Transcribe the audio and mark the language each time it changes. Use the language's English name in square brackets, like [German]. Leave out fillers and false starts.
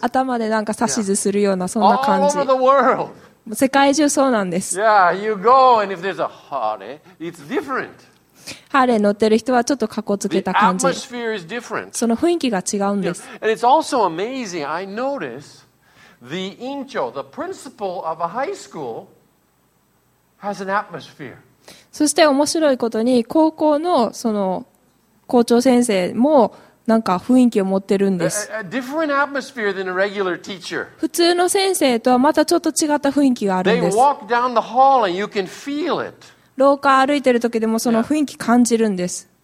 [Japanese] 頭でなんか指図するようなそんな感じ。 [English] Yeah. All over the world. [Japanese] 世界中そうなんです。 [English] Yeah, you go and if there's a Harley, it's different. [Japanese] ハーレー乗ってる人はちょっとカッコつけた感じ。 [English] The atmosphere is different. [Japanese] その雰囲気が違うんです。 [English] Yeah. And it's also amazing. I notice the incho, the principal of a high school, has an atmosphere. [Japanese] そして面白いことに高校のその校長先生もなんか雰囲気を持ってるんです。 [English] a different atmosphere than a regular teacher. [Japanese] 普通の先生とはまたちょっと違った雰囲気があるんです。 [English] They walk down the hall and you can feel it. [Japanese] 廊下歩いてる時でもその雰囲気感じるんです。